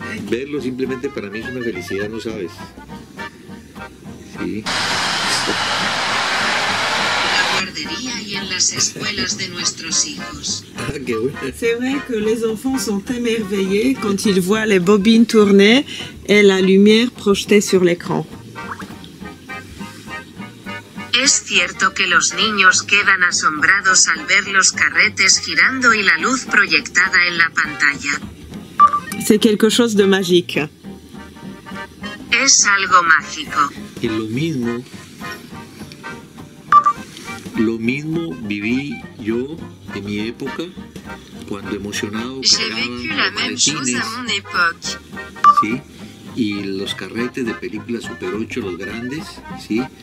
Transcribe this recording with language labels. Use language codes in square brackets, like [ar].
[es] Verlo simplemente para mí es una felicidad, no sabes. Sí. La guardería y en las escuelas de nuestros hijos. Ah, qué bueno. [fr] C'est vrai que les enfants sont émerveillés quand ils voient les bobines tourner et la lumière projetée sur l'écran. [es] Es cierto que los niños quedan asombrados al ver los carretes girando y la luz proyectada en la pantalla. [fr] C'est quelque chose de magique. [es] Es algo mágico. Y lo mismo viví yo en mi época cuando emocionado cargaban sí. Y los carretes de películas Super 8, los grandes, ¿sí?